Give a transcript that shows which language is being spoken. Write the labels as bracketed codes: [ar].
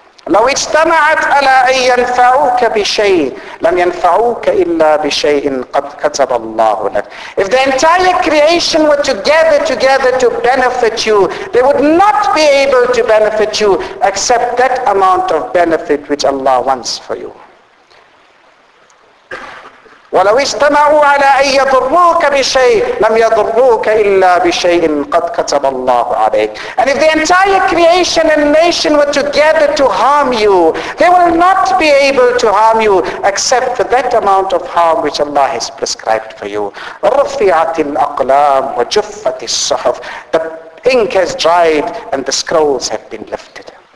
[ar] لو اجتمعت على أن ينفعوك بشيء لم ينفعوك إلا بشيء قد كتب الله لك. [en] If the entire creation were to gather together to benefit you, they would not be able to benefit you except that amount of benefit which Allah wants for you. [ar] ولو اجتمعوا على أن يضروك بشيء لم يضروك إلا بشيء قد كتب الله عليك. [en] And if the entire creation and nation were together to harm you, they will not be able to harm you except for that amount of harm which Allah has prescribed for you. [ar] رفعت الأقلام وجفت الصحف. [en] The ink has dried and the scrolls have been lifted.